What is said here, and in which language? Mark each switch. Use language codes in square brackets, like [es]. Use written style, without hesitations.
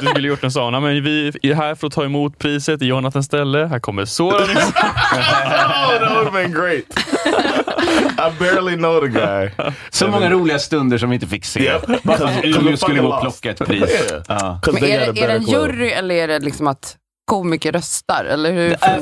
[sv] att vi skulle gjort en sauna, men vi är här för att ta emot priset i Jonathans ställe. Här kommer Soran. [en] Oh, that would have been great. I barely know the guy. [sv] Så många roliga stunder som vi inte fick se. Du skulle gå och plocka ett pris. Men är det en jury eller är det liksom att komiker röstar, eller hur?